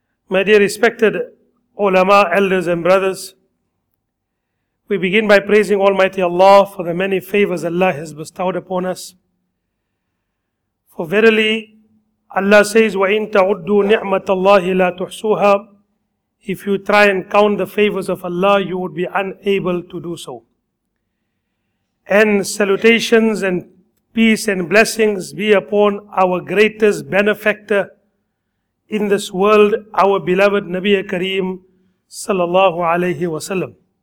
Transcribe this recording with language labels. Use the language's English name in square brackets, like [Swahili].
[English] My dear respected ulama, elders and brothers, we begin by praising Almighty Allah for the many favors Allah has bestowed upon us. For verily, Allah says, [Arabic] وَإِن تَعُدُّوا نِعْمَةَ اللَّهِ لَا تُحْسُوهَا. [English] If you try and count the favors of Allah, you would be unable to do so. And salutations and peace and blessings be upon our greatest benefactor in this world, our beloved Nabi Kareem sallallahu alayhi wa sallam.